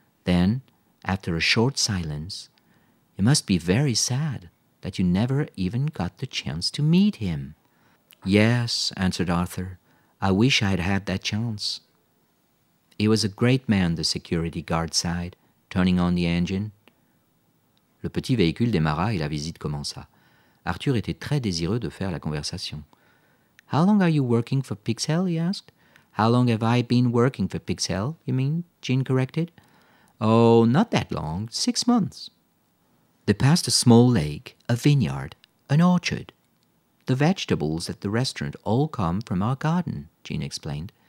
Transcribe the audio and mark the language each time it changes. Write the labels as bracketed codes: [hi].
[en] Then, after a short silence, it must be very sad that you never even got the chance to meet him. Yes, answered Arthur. I wish I had had that chance. He was a great man, the security guard sighed, turning on the engine. [fr] Le petit véhicule démarra et la visite commença. Arthur était très désireux de faire la conversation. [en] How long are you working for Pixel? He asked. How long have I been working for Pixel, you mean? Jean corrected. Oh, not that long, 6 months. They passed a small lake, a vineyard, an orchard. The vegetables at the restaurant all come from our garden, Jean explained.